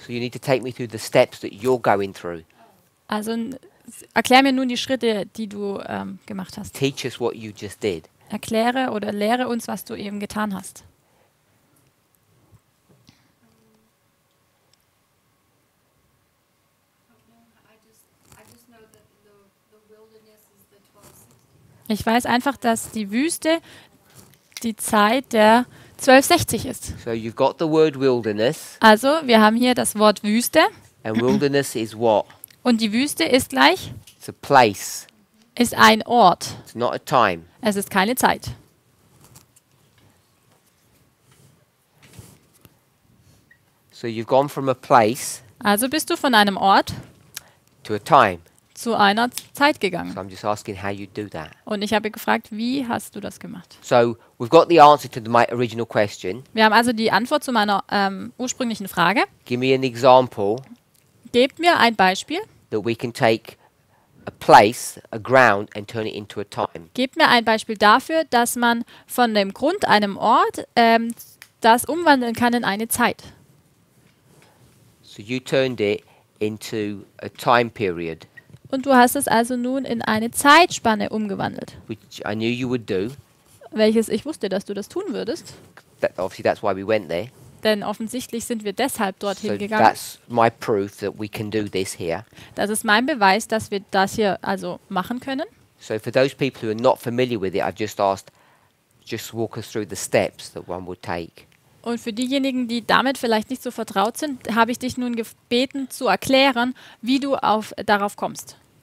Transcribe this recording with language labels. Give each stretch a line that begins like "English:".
English: So you need to take me through the steps that you're going through.
German: Also erklär mir nun die Schritte, die du gemacht hast.
English: Teach us what you just did.
German: Erkläre oder lehre uns, was du eben getan hast. Ich weiß einfach, dass die Wüste die Zeit der 1260 ist.
English: So you've got the word wilderness.
German: Also, wir haben hier das Wort Wüste.
English: And wilderness is what?
German: Und die Wüste ist gleich?
English: It's a place.
German: Ist ein Ort.
English: It's not a time.
German: Es ist keine Zeit.
English: So you've gone from a place.
German: Also bist du von einem Ort
English: to a time.
German: Zu einer Zeit gegangen.
English: So I'm just asking how you do that.
German: Und ich habe gefragt, wie hast du das gemacht?
English: So we've got the answer to my original question.
German: Wir haben also die Antwort zu meiner ursprünglichen Frage.
English: Give me an example.
German: Gebt mir ein Beispiel.
English: That we can take a place, a ground, and turn it into a time.
German: Gebt mir ein Beispiel dafür, dass man von dem Grund, einem Ort, das umwandeln kann in eine Zeit.
English: So you turned it into a time period.
German: Und du hast es also nun in eine Zeitspanne umgewandelt.
English: Which I knew you would do.
German: Welches ich wusste, dass du das tun würdest.
English: That, obviously that's why we went there.
German: Denn offensichtlich sind wir deshalb dorthin
English: so
German: gegangen.
English: That's my proof that we can do this here.
German: Das ist mein Beweis, dass wir das hier also machen können.
English: So for those people who are not familiar with it, I've just asked, just walk us through the steps that one would take.
German: Und für diejenigen, die damit vielleicht nicht so vertraut sind, habe ich dich nun gebeten zu erklären, wie du darauf kommst.